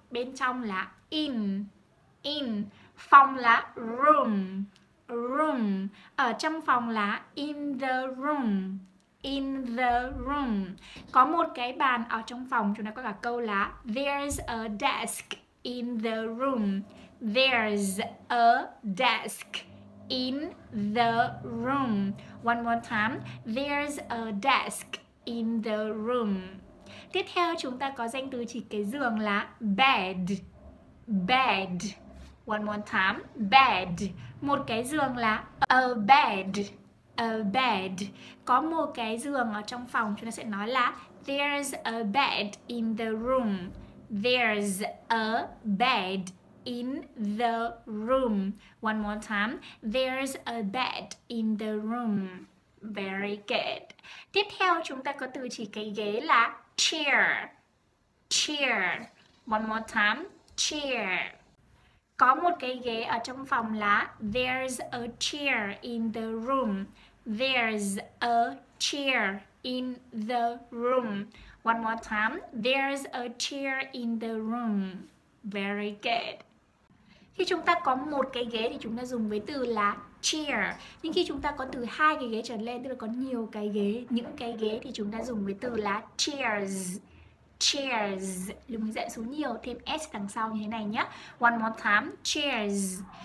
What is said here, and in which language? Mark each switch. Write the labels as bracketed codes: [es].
[vi] Bên trong là in. In. Phòng là room. Room. Ở trong phòng là [en] in the room. In the room. [vi] Có một cái bàn ở trong phòng, chúng ta có cả câu là [en] there's a desk in the room. There's a desk in the room. One more time. There's a desk in the room. [vi] Tiếp theo chúng ta có danh từ chỉ cái giường là bed. [en] Bed. One more time. Bed. [vi] Một cái giường là [en] a bed. A bed. [vi] Có một cái giường ở trong phòng, chúng ta sẽ nói là [en] there's a bed in the room. There's a bed in the room. One more time. There's a bed in the room. Very good. [vi] Tiếp theo chúng ta có từ chỉ cái ghế là chair. [en] Chair. One more time. Chair. [vi] Có một cái ghế ở trong phòng là [en] there's a chair in the room. There's a chair in the room. One more time. There's a chair in the room. Very good. [vi] Khi chúng ta có một cái ghế thì chúng ta dùng với từ là chair. Nhưng khi chúng ta có từ hai cái ghế trở lên, tức là có nhiều cái ghế, những cái ghế thì chúng ta dùng với từ là chairs. Chairs. Lưu ý dạy số nhiều, thêm S đằng sau như thế này nhé. [en] One more time. Chairs.